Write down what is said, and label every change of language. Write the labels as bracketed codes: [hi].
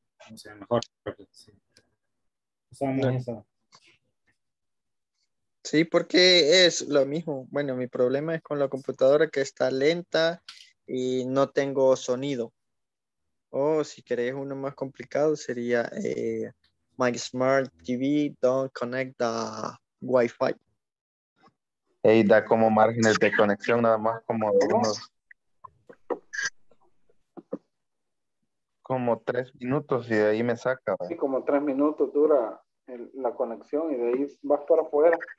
[es] No sé, mejor. Sí, porque es lo mismo. Bueno, mi problema es con la computadora que está lenta y no tengo sonido. Si querés uno más complicado sería. [en] My smart TV don't connect the Wi-Fi. [es] Hey, da como márgenes de conexión, nada más como unos. Como 3 minutos y de ahí me saca. Sí, como 3 minutos dura la conexión y de ahí vas para afuera.